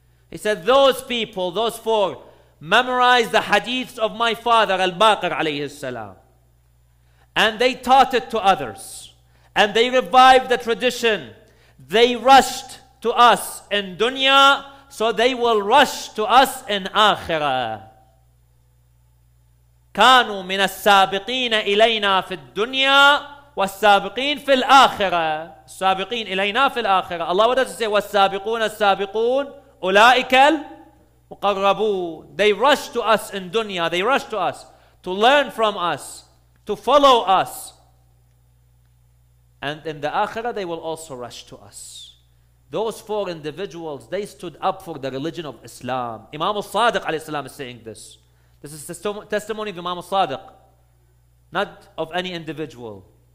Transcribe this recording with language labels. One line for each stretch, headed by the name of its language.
English: He said, those people, those four, memorized the hadiths of my father, Al-Baqir alayhi salam. And they taught it to others. And they revived the tradition. They rushed to us in dunya, so they will rush to us in akhirah.
Arabic: كانوا من السابقين إلينا في الدنيا والسابقين في الآخرة. السابقين إلينا في الآخرة.
English: Allah, what does it say?
Arabic: والسابقون السابقون أولئك المقربون.
English: They rush to us in dunya. They rush to us to learn from us, to follow us. And in the Akhirah, they will also rush to us. Those four individuals, they stood up for the religion of Islam. Imam al-Sadiq alayhi salam is saying this. This is the testimony of Imam al-Sadiq, not of any individual.